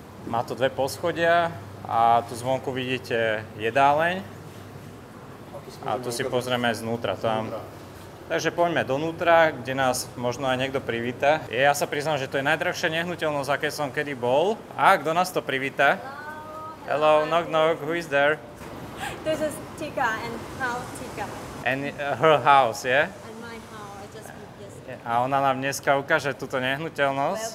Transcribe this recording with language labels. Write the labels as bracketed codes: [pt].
[sk] Má to dve poschodia a tu zvonku vidíte jedáleň. A tu si pozrieme aj znútra tam. Takže poďme donútra, kde nás možno aj niekto privíta. Ja sa priznám, že to je najdrahšia nehnuteľnosť, aké som kedy bol. A kto nás to privíta? [en] Hello, knock knock, who is there? This is Tika and Paul Tika. And her house, yeah? And my house, I just moved yesterday. [sk] A ona nám dneska ukáže túto nehnuteľnosť.